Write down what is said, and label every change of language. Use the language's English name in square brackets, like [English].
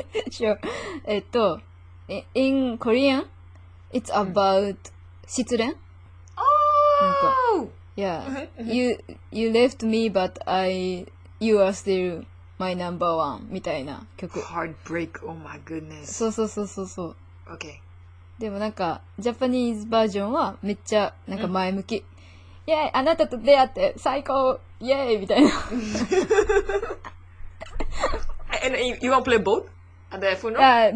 [English] Sure. In Korean, it's about 失恋。 Oh! Yeah. you left me, but you are still my number one, [Japanese] みたいな曲。 [English] Heartbreak, oh my goodness. [Japanese] そうそうそうそうそう。 [English] Okay. [Japanese] でもなんかジャパニーズバージョンはめっちゃなんか前向き、うん、イエーイあなたと出会って最高イエーイみたいな。 [English] And you want to play both at the funeral?